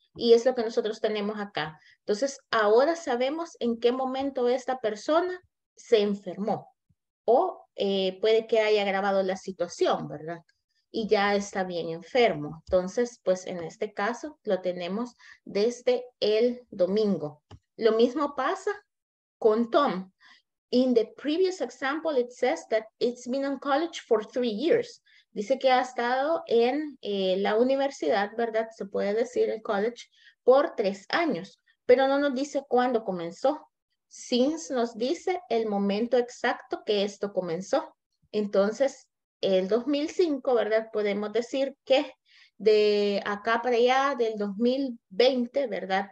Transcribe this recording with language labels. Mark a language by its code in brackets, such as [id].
[es] Y es lo que nosotros tenemos acá. Entonces, ahora sabemos en qué momento esta persona se enfermó. O puede que haya agravado la situación, ¿verdad? Y ya está bien enfermo. Entonces, pues en este caso, lo tenemos desde el domingo. Lo mismo pasa con Tom. [en] In the previous example, it says that it's been in college for 3 years. [es] Dice que ha estado en la universidad, ¿verdad? Se puede decir el college por 3 años. Pero no nos dice cuándo comenzó. Since nos dice el momento exacto que esto comenzó. Entonces, el 2005, ¿verdad? Podemos decir que de acá para allá del 2020, ¿verdad?